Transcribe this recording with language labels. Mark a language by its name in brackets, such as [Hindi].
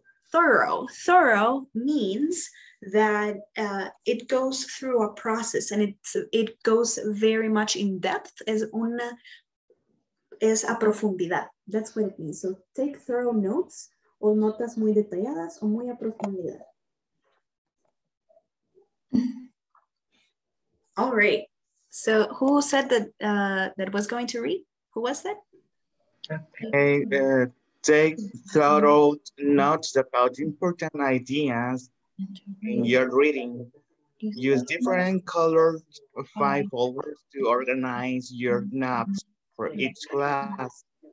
[English] Thorough means that it goes through a process and it goes very much in depth. [Spanish] Es a profundidad. [English] That's what it means. So take thorough notes [Spanish] o notas muy detalladas o muy a profundidad. [English] All right. So who said that that was going to read? Who was that? Okay, take thorough notes about important ideas in your reading. Use different colored five folders to organize your notes for each class.